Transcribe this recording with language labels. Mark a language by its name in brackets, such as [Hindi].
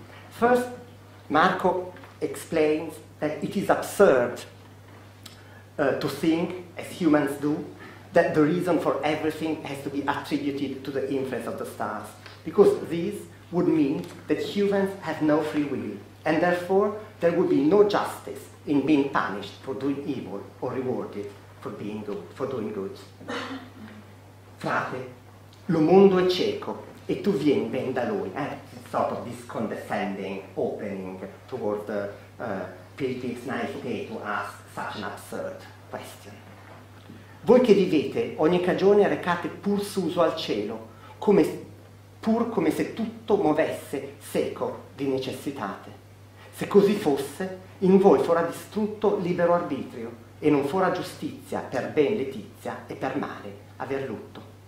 [English] First, Marco explains that it is absurd to think, as humans do, that the reason for everything has to be attributed to the influence of the stars, because this would mean that humans have no free will, and therefore there would be no justice in being punished for doing evil or rewarded for being good, for doing good. [Italian] Frate, lo mondo è cieco, e tu vieni ben da lui. [English] Sort of this condescending opening towards the pilgrim's naivete to ask such an absurd question. [Italian] Voi che vivete, ogni cagione recate pur suso al cielo, pur come se tutto muovesse seco di necessitate. Se così fosse, in voi fora distrutto libero arbitrio, e non fora giustizia per ben letizia e per male aver lutto.